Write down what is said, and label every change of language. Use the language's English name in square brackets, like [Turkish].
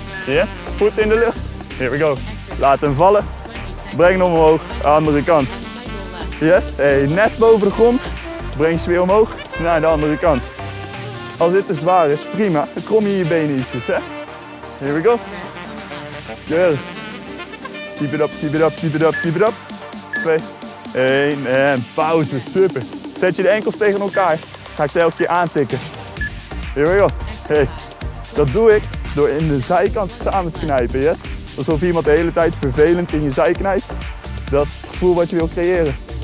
[Dutch] Yes, voet in de lucht. [English] Here we go. [Dutch] Laat hem vallen. Breng hem omhoog, andere kant. Yes, hey, net boven de grond. Breng ze weer omhoog naar de andere kant. Als dit te zwaar is, prima. Dan krom je je benen ietsjes, hè. [English] Here we go. Good. Keep it up, keep it up, keep it up, keep it up. [Dutch] 2, 1 en pauze. Super. Zet je de enkels tegen elkaar. Ga ik ze elke keer aantikken. [English] Here we go. [Dutch] Hey, dat doe ik door in de zijkant samen te knijpen, yes? Alsof iemand de hele tijd vervelend in je zij knijpt. Dat is het gevoel wat je wil creëren.